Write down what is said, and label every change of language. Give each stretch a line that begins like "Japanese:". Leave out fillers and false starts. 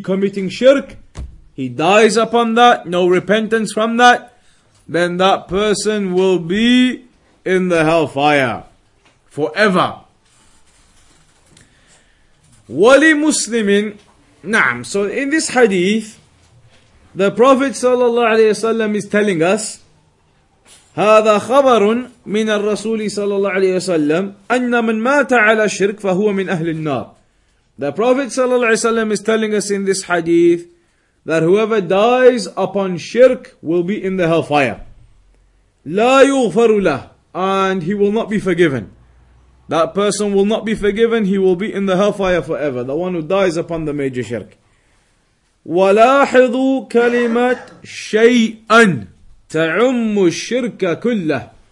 English: committing shirk, he dies upon that, no repentance from that, then that person will be in the hellfire forever.
Arabic: Wali Muslimin, na'am.
English: So in this hadith, the Prophet sallallahu alayhi wasallam is telling us,
Arabic: هذا خبر من الرسول صلى الله عليه وسلم أن من مات على الشرك فهو من أهل النار.
English: The Prophet صلى الله عليه وسلم is telling us in this hadith that whoever dies upon shirk will be in the hellfire.
Arabic: لا يغفر له,
English: and he will not be forgiven. That person will not be forgiven, he will be in the hellfire forever, the one who dies upon the major shirk.
Arabic: ولاحظوا كلمة شيئاً تعم الشرك كله.